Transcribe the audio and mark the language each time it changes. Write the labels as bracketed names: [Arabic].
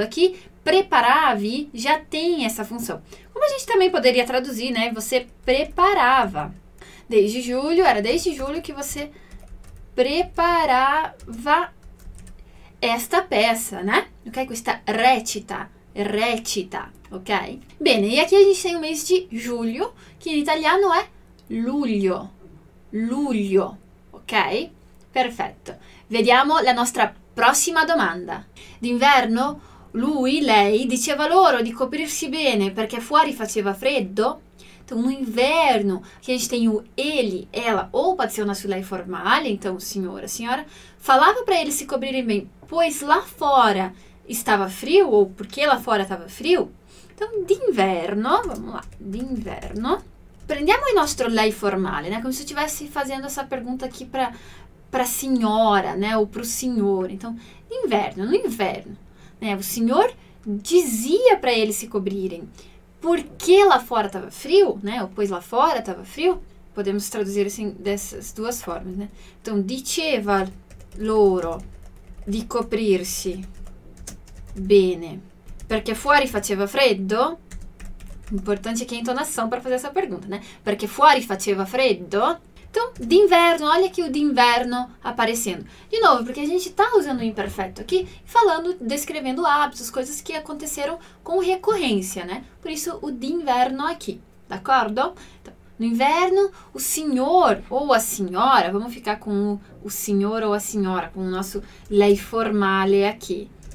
[Portuguese] Aqui, preparavi já tem essa função. Como a gente também poderia traduzir, né? Você preparava. Desde julho, era desde julho que você preparava esta peça, né? Ok? Questa recita, recita, ok? Bene, e aqui a gente tem o mês de julho, [Italian] che in italiano è luglio, luglio, [Portuguese] ok? Perfetto. [Italian] Vediamo la nostra prossima domanda. D'inverno, lui, lei, diceva loro di coprirsi bene perché fuori faceva freddo. [Portuguese] Então, no inverno, aqui a gente tem o ele, ela, ou pode ser o nosso lei formale, então, senhor, a senhora, falava para eles se cobrirem bem, pois lá fora estava frio, ou porque lá fora estava frio. Então, d'inverno, vamos lá, d'inverno, [Italian] prendiamo il nostro lei formale, [Portuguese] né? Como se eu estivesse fazendo essa pergunta aqui para a senhora, né? Ou para o senhor. Então, d'inverno, no inverno, né? O senhor dizia para eles se cobrirem. Porque lá fora estava frio, né? Ou pois lá fora estava frio, podemos traduzir assim dessas duas formas, né? [Italian] Então, diceva loro di coprirsi bene, perché fuori faceva freddo. [Portuguese] Importante aqui a intonação para fazer essa pergunta, né? [Italian] Perché fuori faceva freddo. [Portuguese] Então, d'inverno, olha aqui o d'inverno aparecendo. De novo, porque a gente está usando o imperfeito aqui, falando, descrevendo hábitos, coisas que aconteceram com recorrência, né? Por isso, o d'inverno aqui, d'accordo? Então, no inverno, o senhor ou a senhora, vamos ficar com o senhor ou a senhora, com o nosso lei formale aqui.